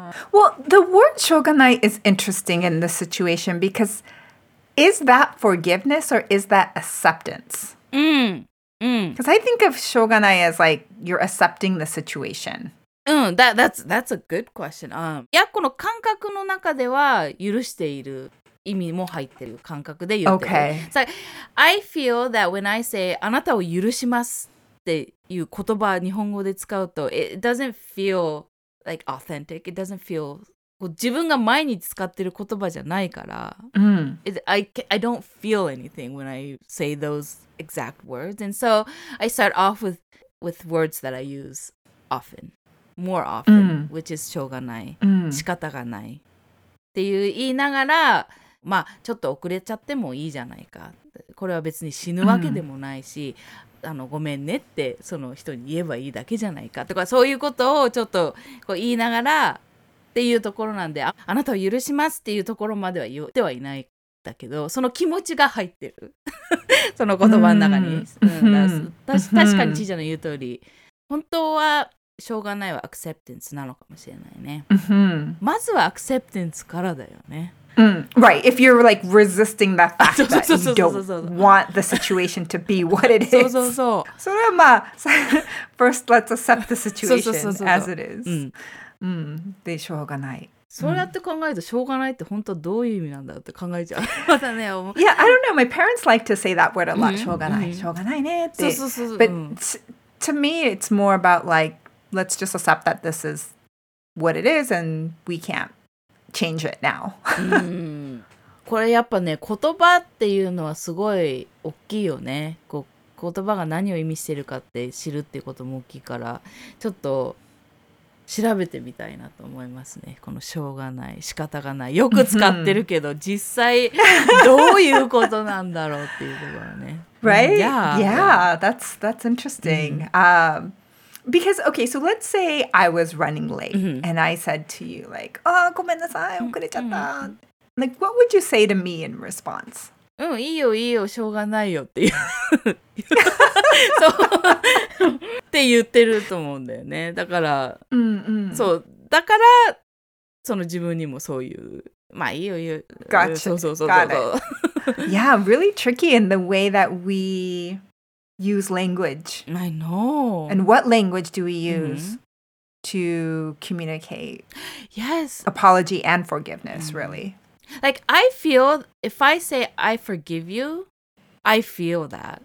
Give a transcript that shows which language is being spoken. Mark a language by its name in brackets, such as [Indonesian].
[English] Well, the word shoganai is interesting in this situation because is that forgiveness or is that acceptance? Because I think of shoganai as like you're accepting the situation. That's a good question. [Japanese] この感覚の中では許している意味も入ってる感覚で言ってる。 [English] Okay. So, I feel that when I say [Japanese] あなたを許しますっていう言葉日本語で使うと [English] it doesn't feel like authentic. It doesn't feel [Japanese] こう自分が毎日使ってる言葉じゃないから。 [English] I don't feel anything when I say those exact words. And so I start off with words that I use often. More often,、mm. which is しょうがない、 mm. [Japanese] 仕方がないっていう言いながら、まあちょっと遅れちゃってもいいじゃないか。これは別に死ぬわけでもないし、mm. ごめんねってその人に言えばいいだけじゃないかとか、そういうことをちょっとこう言いながらっていうところなんで、あなたを許しますっていうところまでは言ってはいないんだけど、その気持ちが入ってる。その言葉の中に。Mm. うん、確かにちーちゃんの言う通り、本当は、しょうがないはアクセプテンスなのかもしれないね。 Mm-hmm. まずはアクセプテンスからだよね。 Mm. [English] Right, if you're like resisting the fact that you don't want the situation to be what it is. [Japanese] それはまあ、 [English] first let's accept the situation as it is. [Japanese] で、しょうがない。そうやって考えると、しょうがないって本当どういう意味なんだって考えちゃう。またね、 [English] Yeah, I don't know. My parents like to say that word a lot. [Japanese] しょうがない。しょうがないねって。そう。 [English] But to me, it's more about like,Let's just accept that this is what it is and we can't change it now. [Japanese] これやっぱね、言葉っていうのはすごい大きいよね。こう言葉が何を意味してるかって知るっていうことも大きいから、ちょっと調べてみたいなと思いますね。このしょうがない、仕方がない。よく使ってるけど、実際どういうことなんだろうっていうところね。 [English] Right? Yeah. Yeah, that's interesting. Because, okay, so let's say I was running late mm-hmm. and I said to you, like, oh, [Japanese] ごめんなさい, 遅れちゃった. [English] Mm-hmm. Like, what would you say to me in response? [Japanese] いいよ、しょうがないよって言う。そう。って言ってると思うんだよね。だから、 mm-hmm. そう。だから、その自分にもそういう、まあ、いいよ。 [English] Gotcha. そう。 Yeah, really tricky in the way that we... Use language. I know. And what language do we use、mm-hmm. to communicate? Yes. Apology and forgiveness,、mm-hmm. really. Like, I feel if I say I forgive you, I feel that.